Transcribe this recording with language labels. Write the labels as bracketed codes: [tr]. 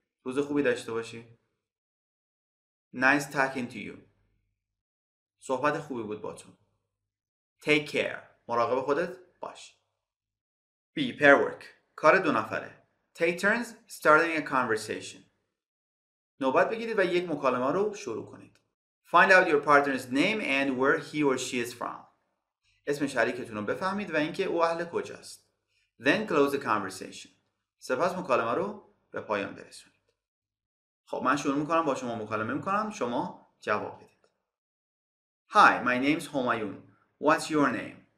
[fa] روز خوبی داشته باشی. [en] Nice talking to you. [fa] صحبت خوبی بود با تو. [en] Take care. [fa] مراقب خودت باش. B. [en] Pair work. [fa] کار دو نفره. [en] Take turns starting a conversation. [fa] نوبت بگیرید و یک مکالمه رو شروع کنید. [en] Find out your partner's name and where he or she is from. [fa] اسم شریکتون رو بفهمید و اینکه او اهل کجاست. [en] Then close the conversation. [fa] سپس مکالمه رو به پایان برسونید. خب من شروع میکنم با شما مکالمه میکنم. شما جواب بدید. [en] Hi, my name's Humayun. What's your name?